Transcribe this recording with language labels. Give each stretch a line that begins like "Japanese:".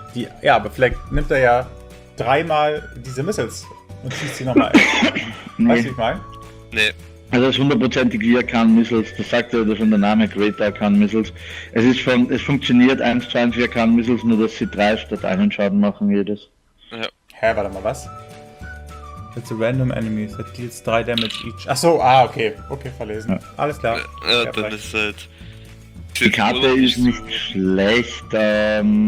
German: Die, ja, aber vielleicht nimmt er ja dreimal diese Missiles und schießt sie nochmal. Weißt du, ich meine? Nee. Also das ist hundertprozentig wie Arcane Missiles, das sagt ja schon der Name, Great Arcane Missiles. Es ist von, es funktioniert 1 zu 1 wie Arcane Missiles, nur dass sie 3 statt 1 Schaden machen jedes. Ja. Hä, warte mal, was?
English: It's a random enemy that deals 3 damage each.
German: Achso, ah, okay. Okay, verlesen. Ja. Alles klar. Ja, dann ist halt. Die Karte ist nicht schlecht, ja.